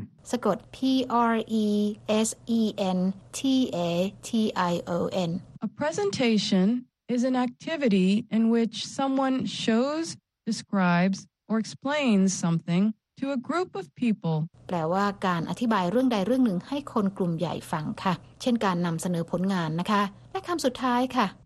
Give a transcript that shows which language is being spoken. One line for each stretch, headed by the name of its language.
Thai: สะกด presentation
English: a presentationis an activity in which someone shows, describes, or explains something to a group of people.
Thai: แปลว่าการอธิบายเรื่องใดเรื่องหนึ่งให้คนกลุ่มใหญ่ฟังค่ะเช่นการนำเสนอผลงานนะคะและคำสุดท้ายค่ะ